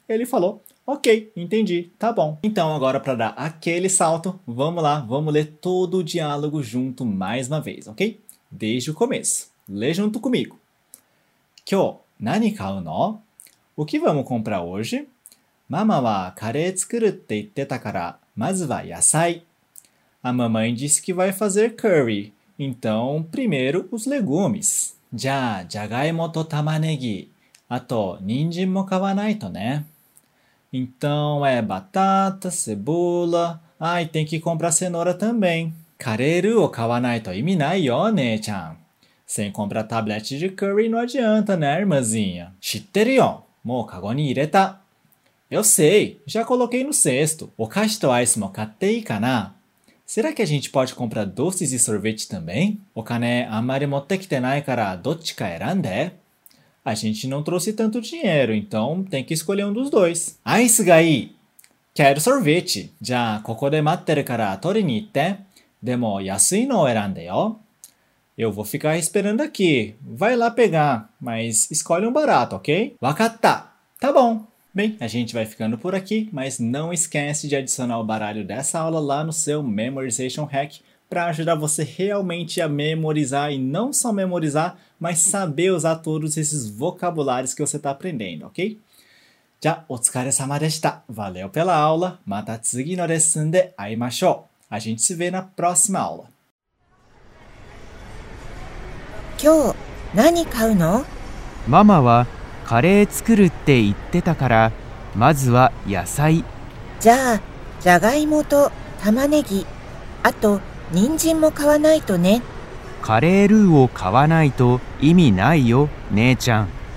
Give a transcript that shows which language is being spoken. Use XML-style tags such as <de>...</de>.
<pt>Ele falou, ok, entendi, tá bom. Então agora para dar aquele salto, vamos lá, vamos ler todo o diálogo junto mais uma vez, ok? Desde o começo. Lê junto comigo.</pt> <ja>今日、何買うの?</ja> <pt>O que vamos comprar hoje?</pt> <ja>ママはカレー作るって言ってたから、まずは野菜。</ja> <pt>A mamãe disse que vai fazer curry. Então, primeiro, os legumes.</pt> <ja>じゃあ、じゃがいもと玉ねぎ。あと、人参も買わないとね。</ja> <pt>Então, é batata, cebola... Ah, e tem que comprar cenoura também.</pt> <ja>カレールーを買わないと意味ないよ、姉ちゃん。</ja> <pt>Sem comprar tablete de curry não adianta, né, irmãzinha?</pt> <ja>知ってるよ。もうカゴに入れた。</ja> <pt>Eu sei, já coloquei no cesto.</pt> <ja>お菓子とアイスも買っていいかな?</ja> <pt>Será que a gente pode comprar doces e sorvete também?</pt> <ja>お金あんまり持ってきてないからどっちか選んで。</ja> <pt>A gente não trouxe tanto dinheiro, então tem que escolher um dos dois.</pt> <ja>アイスがいい。</ja> <pt>Quero sorvete.</pt> <ja>じゃあここで待ってるから取りに行って。でも安いのを選んでよ。</ja> <pt>Eu vou ficar esperando aqui. Vai lá pegar, mas escolhe um barato, ok?</pt> <ja>Wakatta!</ja> <pt>Tá bom! Bem, a gente vai ficando por aqui, mas não esquece de adicionar o baralho dessa aula lá no seu Memorization Hack para ajudar você realmente a memorizar e não só memorizar, mas saber usar todos esses vocabulários que você está aprendendo, ok?</pt> <ja>Já, o tsukare sama deshita!</ja> <pt>Valeu pela aula!</pt> <ja>Mata tsugi no lesson de aimashou!</ja> <pt>A gente se vê na próxima aula!</pt> <ja>今日何買うの? ママはカレー作るって言ってたから、まずは野菜。じゃあ、じゃがいもと玉ねぎ、あと人参も買わないとね。カレールーを買わないと意味ないよ、姉ちゃん。</ja>